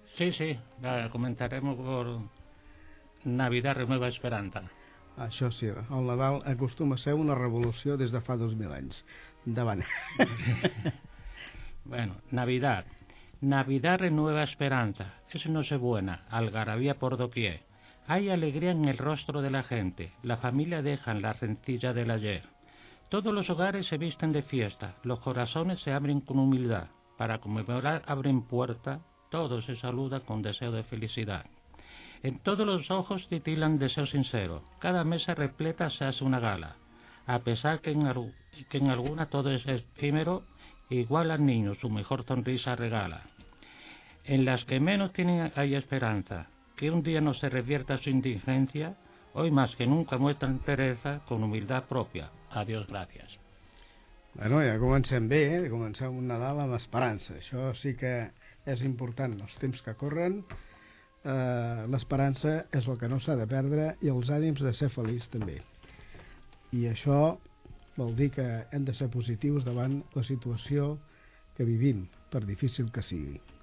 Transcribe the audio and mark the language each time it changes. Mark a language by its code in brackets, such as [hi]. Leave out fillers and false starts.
[es] Sí, sí, [ca] comentarem [es] por Navidad Renueva Esperanza. [ca] Això sí, el Nadal acostuma a ser una revolució des de fa 2.000 anys. Endavant. [es] Bueno, Navidad. Navidad Renueva Esperanza. Es noche buena, algarabía por doquier. Hay alegría en el rostro de la gente, la familia deja en la rencilla del ayer. Todos los hogares se visten de fiesta, los corazones se abren con humildad. Para conmemorar abren puerta, todo se saluda con deseo de felicidad. En todos los ojos titilan deseo sincero, cada mesa repleta se hace una gala. A pesar que en alguna todo es efímero, igual al niño su mejor sonrisa regala. En las que menos tienen hay esperanza. Que un día no se revierta su indigencia, hoy más que nunca muestra entereza con humildad propia. Adiós, gracias. [ca] Bueno, ja comencem bé, eh? Comencem un Nadal amb esperança. Això sí que és important. Els temps que corren, l'esperança és el que no s'ha de perdre i els ànims de ser feliç també. I això vol dir que hem de ser positius davant la situació que vivim, per difícil que sigui.